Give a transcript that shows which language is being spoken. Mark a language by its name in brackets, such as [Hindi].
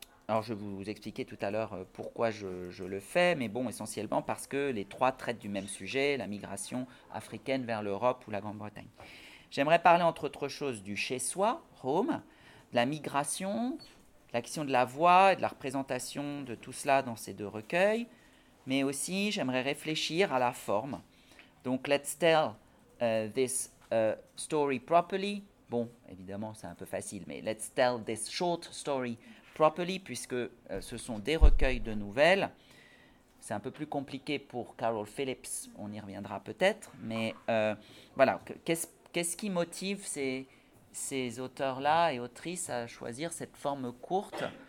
[French] Alors, je vais vous expliquer tout à l'heure pourquoi je le fais, mais bon, essentiellement parce que les trois traitent du même sujet, la migration africaine vers l'Europe ou la Grande-Bretagne. J'aimerais parler, entre autres choses, du chez-soi, home, de la migration, de la question de la voix et de la représentation de tout cela dans ces deux recueils, mais aussi j'aimerais réfléchir à la forme. Donc, [English] let's tell this story properly. [French] Bon, évidemment, c'est un peu facile, mais [English] let's tell this short story properly, [French] puisque ce sont des recueils de nouvelles. C'est un peu plus compliqué pour Carol Phillips, on y reviendra peut-être. Mais voilà, qu'est-ce qui motive ces auteurs-là et autrices à choisir cette forme courte?